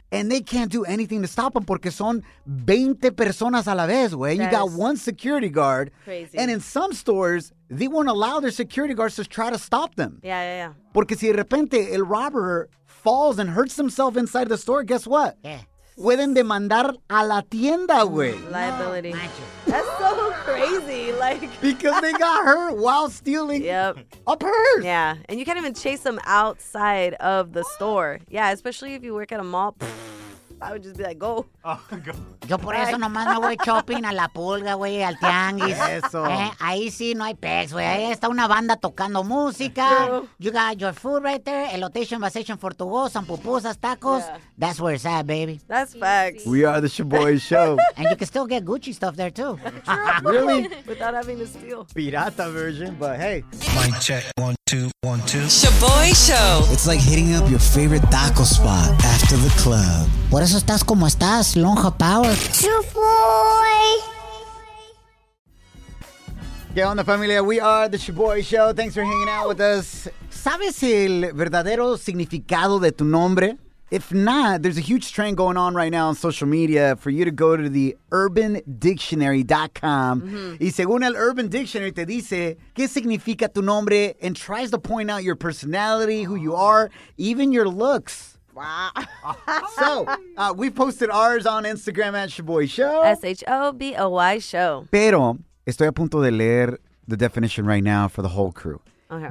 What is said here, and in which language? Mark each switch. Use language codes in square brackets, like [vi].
[en] And they can't do anything to stop them [es] porque son 20 personas a la vez, güey. [en] You got one security guard. Crazy. And in some stores, they won't allow their security guards to try to stop them. Yeah. [es] Porque si de repente el [en] robber falls and hurts himself inside the store, guess what? Yeah. [es] Pueden demandar a la tienda, güey. [en] Liability. That's so crazy. Like, because they got hurt while stealing a purse. Yeah, and you can't even chase them outside of the store. Yeah, especially if you work at a mall. I would just be like, go. Oh, God. [es] Yo por eso nomás me voy shopping a la pulga, güey, al tianguis. Eso. Ahí sí no hay pez, güey. Ahí está una banda tocando música. [en] You got your food right there. Elotation, vasation, for to go, some pupusas, tacos. Yeah. That's where it's at, baby. That's facts. We are the Shaboy Show. And you can still get Gucci stuff there, too. Really? Without having to steal. Pirata version, but hey. Mic check. 1, 2, 1, 2. Shaboy Show. It's like hitting up your favorite taco spot after the club. [es] Por eso estás como estás, Lonja Power. [en] Shaboy. [es] ¿Qué onda, familia? [en] We are the Shaboy Show. Thanks for hanging out with us. [es] ¿Sabes el verdadero significado de tu nombre? [en] If not, there's a huge trend going on right now on social media for you to go to the UrbanDictionary.com. Mm-hmm. [es] Y según el Urban Dictionary te dice, ¿qué significa tu nombre? [en] And tries to point out your personality, who you are, even your looks. Wow. So, we posted ours on Instagram at Shaboy Show. Shaboy Show. [es] Pero estoy a punto de leer [en] the definition right now for the whole crew. Okay.